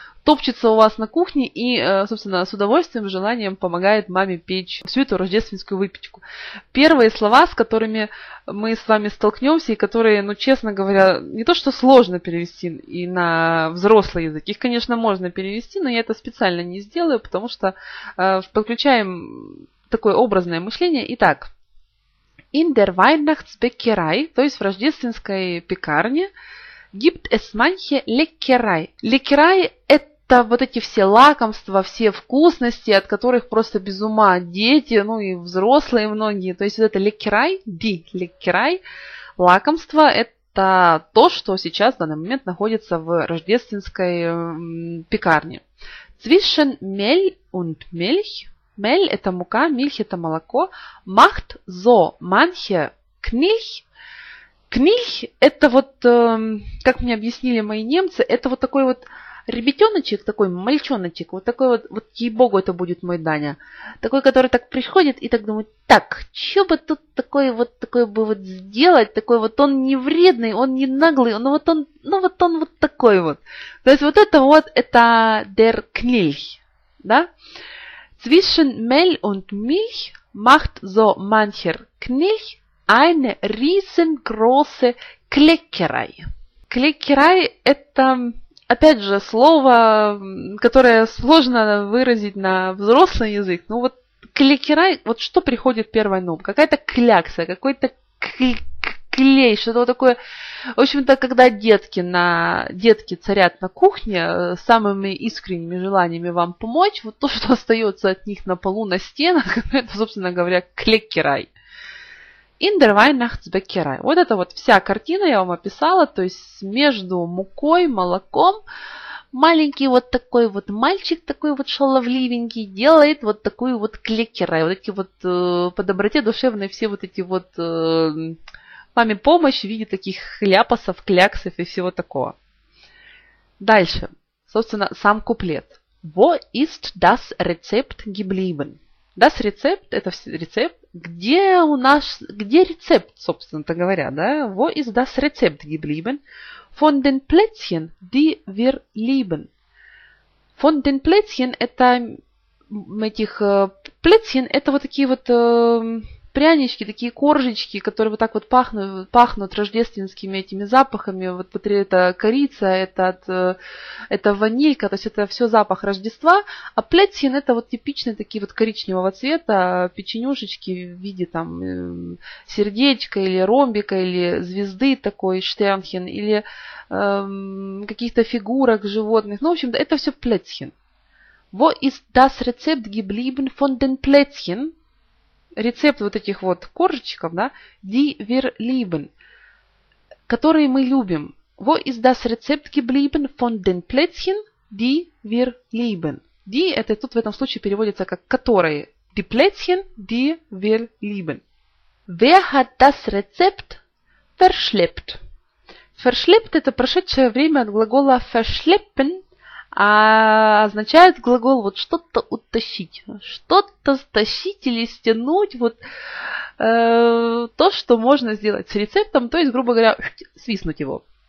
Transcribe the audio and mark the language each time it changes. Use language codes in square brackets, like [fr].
[ru] топчется у вас на кухне и, собственно, с удовольствием и желанием помогает маме печь всю эту рождественскую выпечку. Первые слова, с которыми мы с вами столкнемся и которые, ну, честно говоря, не то что сложно перевести и на взрослый язык, их, конечно, можно перевести, но я это специально не сделаю, потому что подключаем такое образное мышление. Итак, [de] in der Weihnachtsbäckerei, [ru] то есть в рождественской пекарне, [de] gibt es manche Leckerei. [ru] Leckerei – это вот эти все лакомства, все вкусности, от которых просто без ума дети, ну и взрослые многие. То есть вот это Leckerei, die Leckerei, лакомство – это то, что сейчас в данный момент находится в рождественской пекарне. [de] Zwischen Mehl und Milch, Mehl – [ru] это мука, [de] Milch – [ru] это молоко, [de] macht so manche Knilch. [ru] Кних – это вот, как мне объяснили мои немцы, это вот такой вот ребятеночек, такой мальчоночек, вот такой вот, вот ей-богу, это будет мой Даня. Такой, который так приходит и так думает, так, что бы тут такое бы вот сделать, такой вот он не вредный, он не наглый, но вот он, ну вот он вот такой вот. То есть вот это вот, это der Knilch, да? [de] Zwischen Mehl und Milch macht so mancher Knilch eine riesengroße Kleckerei. [ru] Kleckerei – это, опять же, слово, которое сложно выразить на взрослый язык. Ну вот Kleckerei, вот что приходит первой ном? Какая-то клякса, какой-то клей, что-то вот такое. В общем-то, когда детки царят на кухне с самыми искренними желаниями вам помочь, вот то, что остается от них на полу, на стенах, это, собственно говоря, Kleckerei. [de] In der Weihnachtsbäckerei. [ru] Вот это вот вся картина, я вам описала, то есть между мукой, молоком маленький вот такой вот мальчик, такой вот шаловливенький, делает вот такую вот Kleckerei. Вот эти вот по доброте душевной все вот эти вот маме помощь в виде таких хляпасов, кляксов и всего такого. Дальше. Собственно, сам куплет. [de] Wo ist das Rezept geblieben? [ru] Das Rezept, это рецепт. Где у нас, где рецепт, собственно-то говоря, да? [de] Wo ist das Rezept geblieben? Von den Plätzchen, die wir lieben. Von den Plätzchen, [ru] это этих Plätzchen, это вот такие вот прянички, такие коржечки, которые вот так вот пахнут рождественскими этими запахами. Вот смотри, это корица, это ванилька, то есть это все запах Рождества. А плетьен – это вот типичные такие вот коричневого цвета печенюшечки в виде там сердечка или ромбика, или звезды такой, штернхен, или каких-то фигурок животных. Ну, в общем-то, это все плетьен. [de] Wo ist das Rezept geblieben von den Plätzchen? [ru] Рецепт вот этих вот коржечков, да, [de] die wir lieben, [ru] которые мы любим. [de] Wo ist das Rezept geblieben von den Plätzchen, die wir lieben? [ru] Die – это тут в этом случае переводится как «которые». [de] Die Plätzchen, die wir lieben. Wer hat das Rezept verschleppt? [ru] Verschleppt – это прошедшее время от глагола verschleppen, а означает глагол вот что-то утащить, что-то стащить или стянуть, вот то, что можно сделать с рецептом, то есть, грубо говоря, свистнуть его.